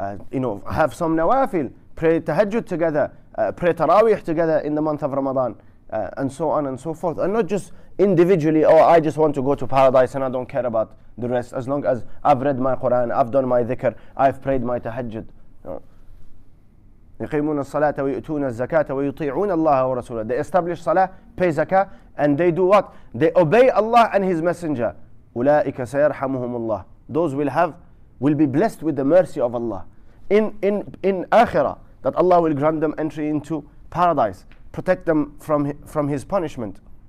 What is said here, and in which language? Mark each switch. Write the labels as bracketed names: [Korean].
[English] You know, have some nawafil, pray tahajjud together, pray taraweeh together in the month of Ramadan, and so on and so forth. And not just individually, oh, I just want to go to paradise and I don't care about the rest, as long as I've read my Quran, I've done my dhikr, I've prayed my tahajjud. [Arabic] يقيمون الصلاة ويؤتون الزكاة ويطيعون الله ورسوله. [English] They establish صلاة, pay zakah, and they do what? They obey Allah and His Messenger. [Arabic] أولئك سيرحمهم الله. [English] Those will be blessed with the mercy of Allah. In akhirah, that Allah will grant them entry into paradise, protect them from His punishment.